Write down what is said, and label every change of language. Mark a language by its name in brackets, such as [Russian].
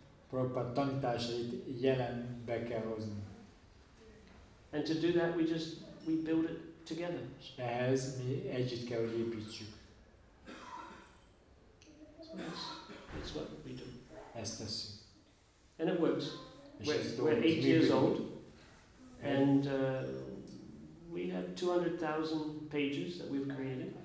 [Hungarian] Prabhupada tanításait jelenbe kell hozni. [English] And to do that, we build it together. [Hungarian] Ehhez mi együtt kell, hogy építsük. [English] So that's what we do. [Hungarian] Ezt tesszük. [English] And it works. We're 8 years old, and we have 200,000 pages that we've created.